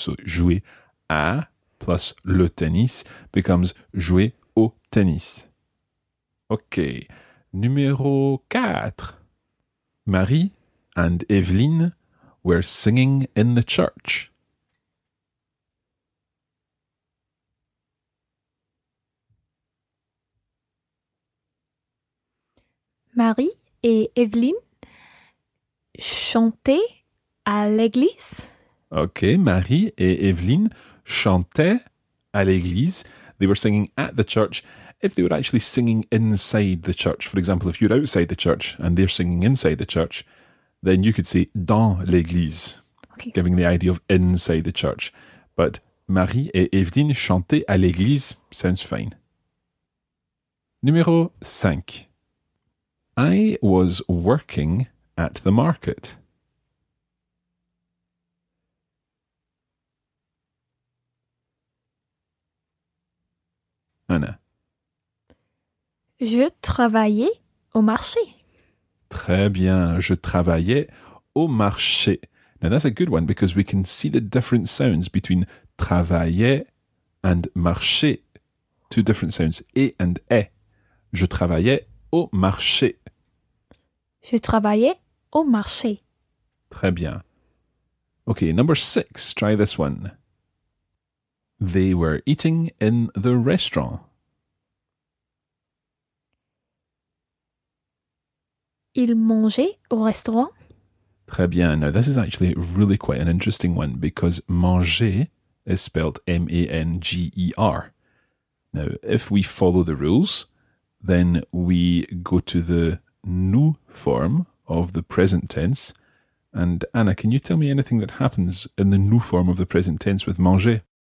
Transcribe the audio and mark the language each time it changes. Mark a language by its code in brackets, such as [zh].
[fr] So jouer à plus le tennis becomes jouer au tennis. OK. Numéro 4. [en] Marie and Evelyne were singing in the church. [fr] Marie et Evelyne chantaient à l'église. OK, Marie et Evelyne chantaient à l'église. [en] They were singing at the church. If they were actually singing inside the church, for example, if you're outside the church and they're singing inside the church, then you could say [fr] dans l'église, [en] okay, giving the idea of inside the church. [fr] But Marie et Evelyne chantaient à l'église [en] sounds fine. [fr] Numéro 5. [en] I was working at the market. Anna. [fr] Je travaillais au marché. Très bien. Je travaillais au marché. [en] Now, that's a good one because we can see the different sounds between travaillais and marché. Two different sounds, E and E. [fr] Je travaillais au marché. Je travaillais au marché. Très bien. [en] Okay, number 6. Try this one. They were eating in the restaurant. [fr] Ils mangeaient au restaurant. Très bien. [en] Now, this is actually really quite an interesting one because manger is spelled M-A-N-G-E-R. Now, if we follow the rules, then we go to the nous form of the present tense. And Anna, can you tell me anything that happens in the nous form of the present tense with manger?